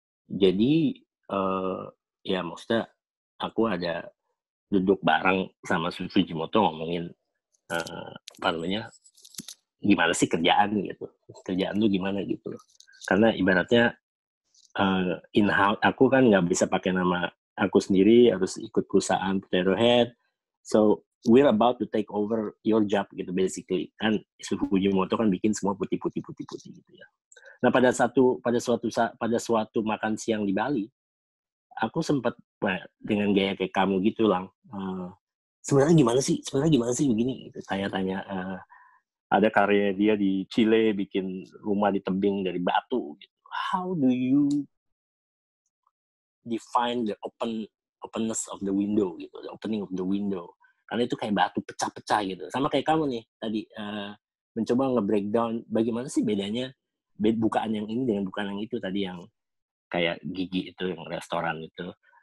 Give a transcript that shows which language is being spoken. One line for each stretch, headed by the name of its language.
Indonesian: Jadi ya maksudnya aku ada duduk bareng sama Sujimoto ngomongin gimana sih kerjaan gitu, kerjaan lu gimana gitu, karena ibaratnya in-house aku kan nggak bisa pakai nama aku sendiri, harus ikut perusahaan Potato Head.
English: So we're about to take over your job
Indonesian: gitu
English: basically.
Indonesian: Kan Sujimoto kan bikin semua putih gitu ya. Nah pada suatu makan siang di Bali, aku sempat dengan gaya kayak kamu gitu lang. Sebenarnya gimana sih begini? Gitu. Tanya-tanya. Ada karya dia di Chile bikin rumah di tebing dari batu. Gitu.
English: How do you define the openness of the window
Indonesian: gitu,
English: the opening of the window?
Indonesian: Karena itu kayak batu pecah-pecah gitu. Sama kayak kamu nih tadi mencoba nge-breakdown bagaimana sih bedanya bukaan yang ini dengan bukaan yang itu tadi yang kayak gigi itu yang restoran itu.